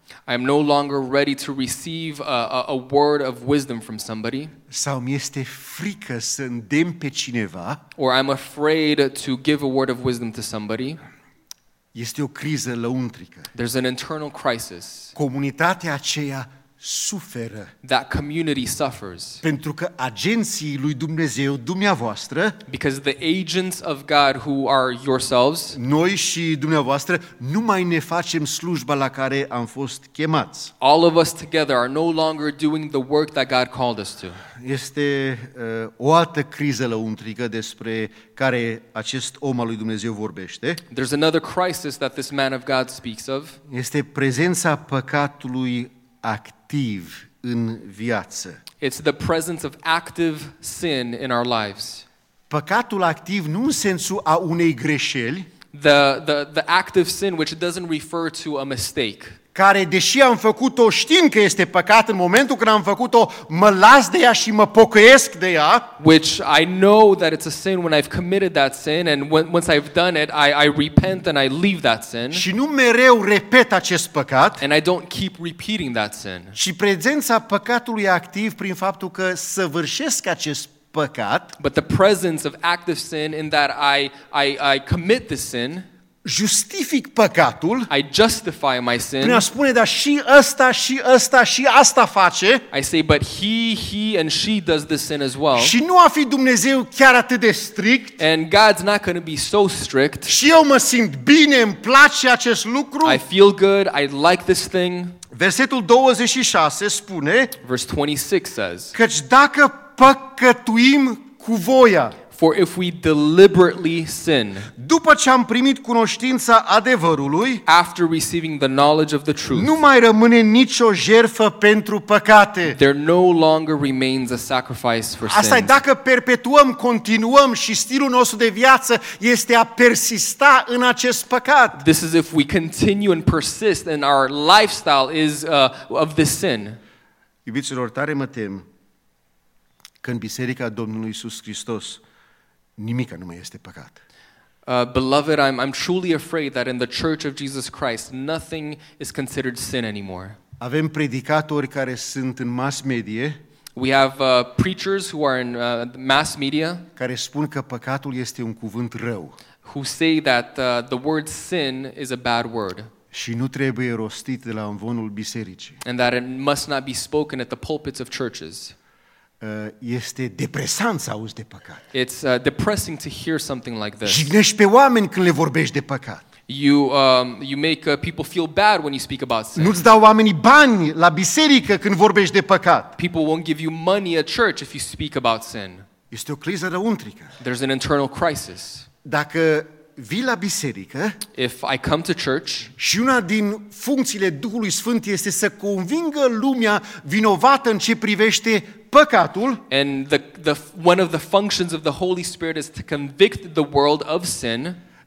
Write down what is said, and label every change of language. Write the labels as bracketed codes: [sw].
[en] I am no longer ready to receive a word of wisdom from somebody. [ro] Sau mi este frică să îndemn pe cineva. [en] Or I'm afraid to give a word of wisdom to somebody. [ro] Este o criză lăuntrică. [en] There's an internal crisis. [ro] Comunitatea aceea suferă. [en] That community suffers. [ro] Pentru că agenții lui Dumnezeu, dumneavoastră, [en] because the agents of God who are yourselves, [ro] noi și dumneavoastră nu mai ne facem slujba la care am fost chemați. [en] All of us together are no longer doing the work that God called us to. [ro] Este o altă criză lăuntrică despre care acest om al lui Dumnezeu vorbește. [en] There's another crisis that this man of God speaks of. [ro] Este prezența păcatului activ în viață. [en] It's the presence of active sin in our lives. [ro] Păcatul activ nu în sensul a unei greșeli. [en] The active sin which doesn't refer to a mistake. [ro] Care deși am făcut-o, știm că este păcat, în momentul când am făcut-o, mă las de ea și mă pocăiesc de ea. [en] Which I know that it's a sin when I've committed that sin and once I've done it, I repent and I leave that sin. [ro] Și nu mereu repet acest păcat. [en] And I don't keep repeating that sin. [ro] Și prezența păcatului activ prin faptul că săvârșesc acest păcat. [en] But the presence of active sin in that I commit the sin. [ro] Justific păcatul. [en] I justify my sin. [ro] Prin a spune, dar și ăsta, și ăsta, și asta face. [en] I say, but he and she does this sin as well. [ro] Și nu a fi Dumnezeu chiar atât de strict. [en] And God's not going to be so strict. [ro] Și eu mă simt bine, îmi place acest lucru. [en] I feel good, I like this thing. [ro] Versetul 26 spune. [en] Verse 26 says. [ro] Căci dacă păcătuim cu voia. [en] For if we deliberately sin, [ro] după ce am primit cunoștința adevărului, [en] after receiving the knowledge of the truth, [ro] nu mai rămâne nicio jertfă pentru păcate. [en] There no longer remains a sacrifice for sin. [ro] Asta e dacă perpetuăm, continuăm și stilul nostru de viață este a persista în acest păcat. [en] This is if we continue and persist and our lifestyle is of this sin. [ro] Iubiților, tare mă tem că în Biserica Domnului Iisus Hristos nimic nu mai este păcat. [en] Beloved, I'm truly afraid that in the Church of Jesus Christ nothing is considered sin anymore. [ro] Avem predicatori care sunt în mass media. [en] We have preachers who are in mass media [ro] care spun că păcatul este un cuvânt rău. [en] Who say that the word sin is a bad word. [ro] Și nu trebuie rostit de la amvonul bisericii. [en] And that it must not be spoken at the pulpits of churches. [ro] Este depresant să auzi de păcat. [en] It's depressing to hear something like this. [ro] Jignești pe oameni când le vorbești de păcat. [en] You make people feel bad when you speak about sin. [ro] Nu-ți dau oamenii bani la biserică când vorbești de păcat. [en] People won't give you money at church if you speak about sin. [ro] Este o criză lăuntrică. [en] There's an internal crisis. [ro] Dacă vii la biserică, [en] if I come to church, [ro] și una din funcțiile Duhului Sfânt este să convingă lumea vinovată în ce privește păcatul, [en] and the one of the functions of the Holy Spirit is to convict the world of sin.